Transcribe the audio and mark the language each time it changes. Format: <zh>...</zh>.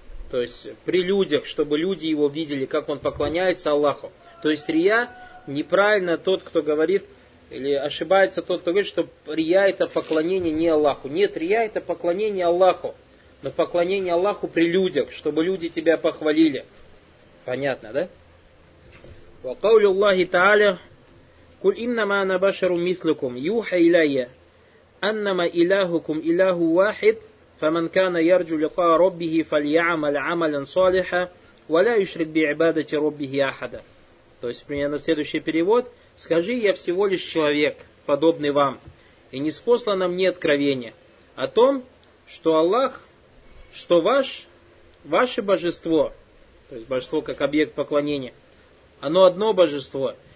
<ru>То есть при людях, чтобы люди его видели, как он поклоняется Аллаху. То есть рия неправильно тот, кто говорит, или ошибается тот, кто говорит, что рия это поклонение не Аллаху. Нет, рия это поклонение Аллаху, но поклонение Аллаху при людях, чтобы люди тебя похвалили. Понятно, да?</ru> <ar>وقول الله تعالى قل انما انا بشر مثلكم يوحى الي انما الهكم اله واحد فمن كان يرجو لقاء ربه فليعمل عملا صالحا ولا يشرك بعباده ربه احدا.</ar> <ru>То есть примерно следующий перевод: скажи, я всего лишь человек подобный вам, и не спослано мне откровение о том, что Аллах, что ваше божество, то есть божество как объект поклонения, оно одно божество.</ru>